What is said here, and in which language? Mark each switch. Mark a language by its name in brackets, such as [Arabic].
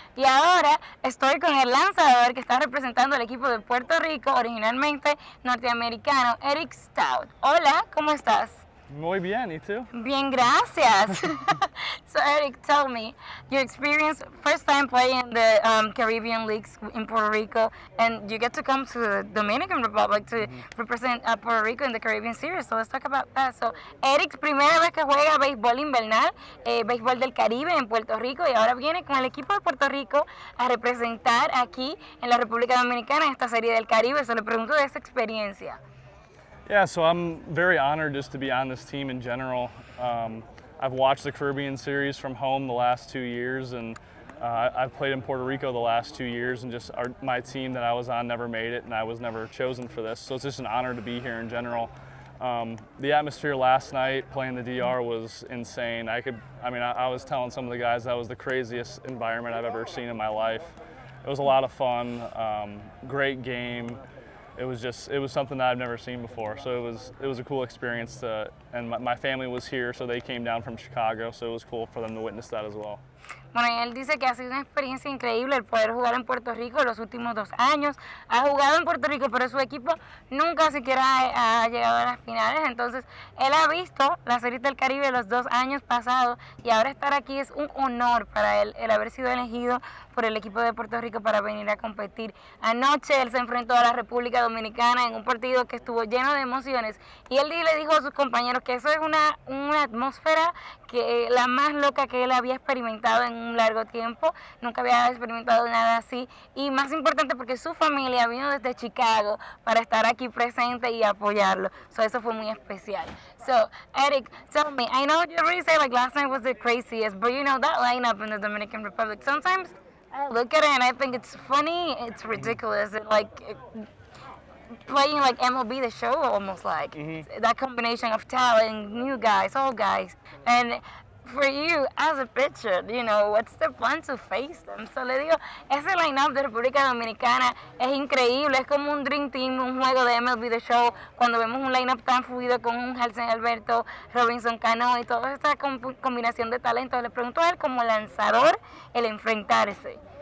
[Spanish] Y ahora estoy con el lanzador que está representando al equipo de Puerto Rico, originalmente norteamericano, Eric Stout. Hola, ¿cómo estás? Muy bien, ¿y tú? Bien, gracias. [English] So, Eric, tell me, your experience, first time playing the Caribbean leagues in Puerto Rico, and you get to come to the Dominican Republic to represent Puerto Rico in the Caribbean Series. So, let's talk about that. [Spanish] So, Eric, primera vez que juega béisbol invernal, béisbol del Caribe en Puerto Rico, y ahora viene con el equipo de Puerto Rico a representar aquí en la República Dominicana en esta Serie del Caribe. So, le pregunto de esa experiencia. [English] Yeah, so I'm very honored just to be on this team in general. I've watched the Caribbean Series from home the last 2 years, and I've played in Puerto Rico the last 2 years, and just my team that I was on never made it, and I was never chosen for this. So it's just an honor to be here in general. The atmosphere last night playing the DR was insane. I was telling some of the guys that was the craziest environment I've ever seen in my life. It was a lot of fun, great game. It was something that I've never seen before. So it was a cool experience to, and my family was here, so they came down from Chicago, so it was cool for them to witness that as well. [Spanish] Bueno, él dice que ha sido una experiencia increíble el poder jugar en Puerto Rico los últimos 2 años. Ha jugado en Puerto Rico, pero su equipo nunca siquiera ha llegado a las finales. Entonces, él ha visto la Serie del Caribe los 2 años pasados y ahora estar aquí es un honor para él, el haber sido elegido por el equipo de Puerto Rico para venir a competir. Anoche él se enfrentó a la República Dominicana en un partido que estuvo lleno de emociones y él le dijo a sus compañeros que eso es una atmósfera que la más loca que él había experimentado en un largo tiempo, nunca había experimentado nada así, y más importante porque su familia vino desde Chicago para estar aquí presente y apoyarlo. So eso fue muy especial. [English] So Eric, tell me, I know you already said like last night was the craziest, but you know that lineup in the Dominican Republic, sometimes I look at it and I think it's funny, it's ridiculous, it, like playing like MLB The Show almost, like that combination of talent, new guys, old guys. And for you, as a pitcher, you know, what's the fun to face them? [Spanish] So le digo, ese lineup de República Dominicana es increíble, es como un dream team, un juego de MLB The Show, cuando vemos un lineup tan fluido con un Jelsen Alberto, Robinson Cano y toda esta combinación de talentos. Le pregunto a él como lanzador el enfrentarse.